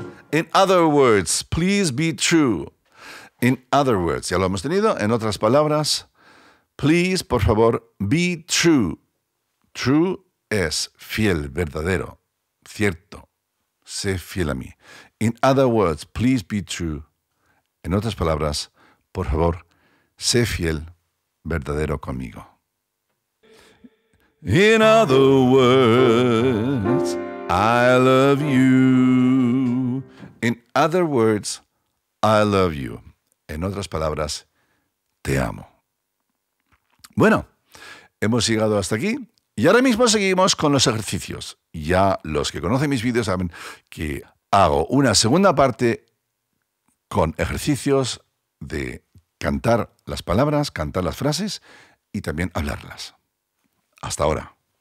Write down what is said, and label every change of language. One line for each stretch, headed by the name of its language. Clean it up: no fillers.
English: In other words, please be true. In other words,
Spanish: ya lo hemos tenido. En otras palabras,
English: please,
Spanish: por favor,
English: be true.
Spanish: True es fiel, verdadero, cierto. Sé fiel a mí.
English: In other words, please be true.
Spanish: En otras palabras, por favor, sé fiel, verdadero conmigo.
English: In other words, I love you. In other words, I love you.
Spanish: En otras palabras, te amo. Bueno, hemos llegado hasta aquí y ahora mismo seguimos con los ejercicios. Ya los que conocen mis vídeos saben que hago una segunda parte con ejercicios de cantar las palabras, cantar las frases y también hablarlas. Hasta ahora.